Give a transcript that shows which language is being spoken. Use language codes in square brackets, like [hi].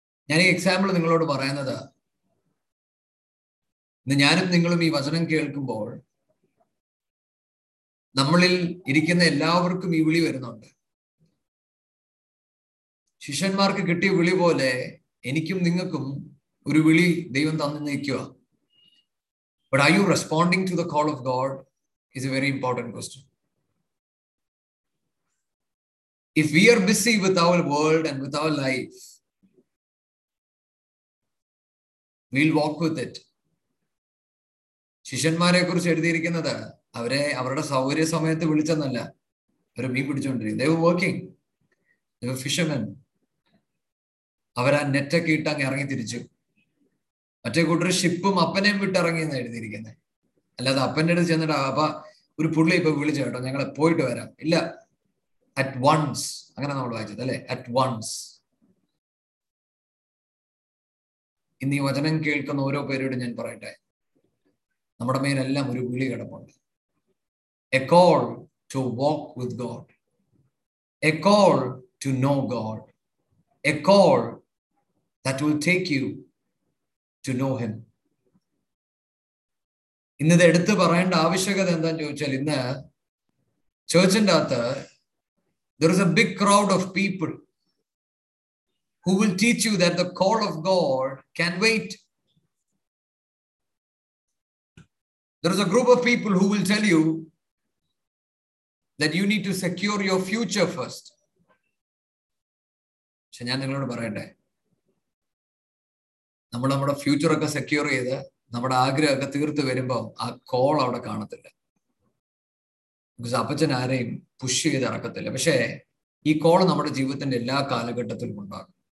[ml] ഞാൻ ഈ എക്സാമ്പിൾ നിങ്ങളോട് പറയുന്നത്, ഞാനും നിങ്ങളും ഈ വചനം കേൾക്കുമ്പോൾ നമ്മളിൽ ഇരിക്കുന്ന എല്ലാവർക്കും ഈ വിളി വരുന്നുണ്ട്. ശിഷ്യന്മാർക്ക് കിട്ടിയ വിളി പോലെ എനിക്കും നിങ്ങൾക്കും ഒരു വിളി ദൈവം തന്നു നിൽക്കുക. [en] But are you responding to the call of God is a very important question. If we are busy with our world and with our life, we'll walk with it. [ml] ശിഷ്യന്മാരെ കുറിച്ച് എഴുതിയിരിക്കുന്നത് അവരെ അവരുടെ സൗകര്യ സമയത്ത് വിളിച്ചെന്നല്ല, അവർ മീൻ പിടിച്ചോണ്ടിരിക്കും. [en] They were working. They were fishermen. [ml] അവരാ നെറ്റൊക്കെ ഇട്ട് അങ്ങ് ഇറങ്ങി തിരിച്ചു. മറ്റേ കൂട്ടർ ഷിപ്പും അപ്പനെയും വിട്ടിറങ്ങിയെന്ന് എഴുതിയിരിക്കുന്നത്. അല്ലാതെ അപ്പൻ്റെ അടുത്ത് ചെന്നിട്ട് അപ്പ ഒരു പുള്ളി ഇപ്പൊ വിളിച്ചു കേട്ടോ ഞങ്ങളെ പോയിട്ട് വരാം, ഇല്ല അറ്റ് വൺസ്, അങ്ങനെ നമ്മൾ വായിച്ചത് അല്ലെ, അറ്റ് വൺസ്. ഇന്ന് ഈ വചനം കേൾക്കുന്ന ഓരോ പേരോടും ഞാൻ പറയട്ടെ, നമ്മുടെ മേലെല്ലാം ഒരു വിളി കിടപ്പുണ്ട്. [en] A call to walk with God, a call to know God, a call that will take you to know him. [ml] ഇന്നിത് എടുത്ത് പറയേണ്ട ആവശ്യകത എന്താണെന്ന് ചോദിച്ചാൽ ഇന്ന് ചേർച്ചിന്റെ അകത്ത് [en] there is a big crowd of people who will teach you that the call of God can wait. There is a group of people who will tell you that you need to secure your future first. [ml] ഞാൻ നിങ്ങളോട് പറയട്ടെ, നമ്മൾ നമ്മുടെ future ഒക്കെ secure ചെയ്ത് നമ്മുടെ ആഗ്രഹമൊക്കെ തീർത്ത് വരുമ്പോൾ ആ കോൾ അവിടെ കാണത്തില്ല. അപ്പച്ചൻ ആരെയും പുഷ് ചെയ്ത് ഇറക്കത്തില്ല. പക്ഷേ ഈ കോൾ നമ്മുടെ ജീവിതത്തിന്റെ എല്ലാ കാലഘട്ടത്തിലും ഉണ്ടാകും.